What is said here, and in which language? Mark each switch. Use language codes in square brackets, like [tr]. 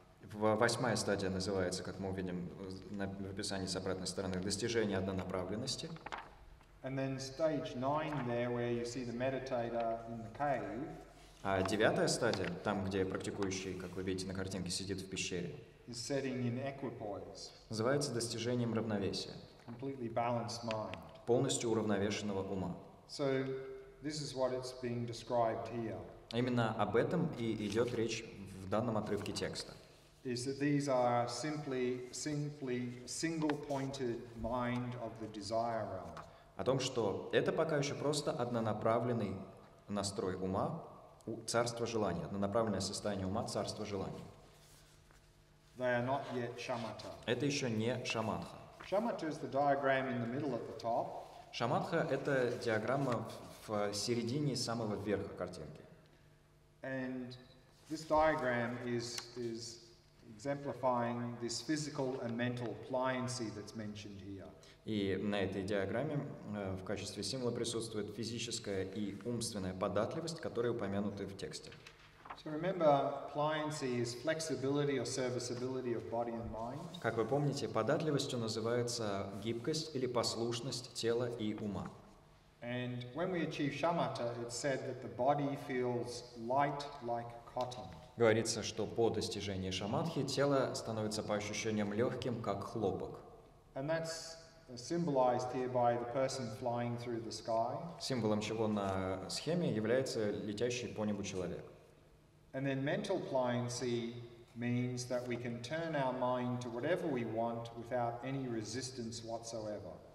[ru] Восьмая стадия называется, как мы увидим в описании с обратной стороны, достижение однонаправленности. [en] And then stage 9 there, where you see the meditator in the cave. [ru] А девятая стадия, там, где практикующий, как вы видите на картинке, сидит в пещере, [en] is setting in equipoise. [ru] Называется достижением равновесия. [en] Completely balanced mind. [ru] полностью уравновешенного ума. [en] So, this is what it's being described here. [ru] Именно об этом и идет речь в данном отрывке текста. [en] Is that these are simply single-pointed mind of the desire realm. [ru] О том, что это пока еще просто однонаправленный настрой ума, царство желания, однонаправленное состояние ума, царство желания. [en] They are not yet shamatha. [ru] Это еще не шаматха. [en] Shamatha is the diagram in the middle at the top. [ru] Шаматха — это диаграмма в середине самого верха картинки. [en] And this diagram is exemplifying this physical and mental pliancy that's mentioned here. [ru] И на этой диаграмме в качестве символа присутствует физическая и умственная податливость, которые упомянуты в тексте. [en] So remember, pliancy is flexibility or serviceability of body and mind. [ru] Как вы помните, податливостью называется гибкость или послушность тела и ума. [en] And when we achieve shamatha, it's said that the body feels light like cotton. [ru] Говорится, что по достижении шаматхи тело становится по ощущениям легким, как хлопок. [en] And that's symbolized here by the person flying through the sky. [ru] Символом чего на схеме является летящий по небу человек. [en] And then mental pliancy means that we can turn our mind to whatever we want without any resistance whatsoever.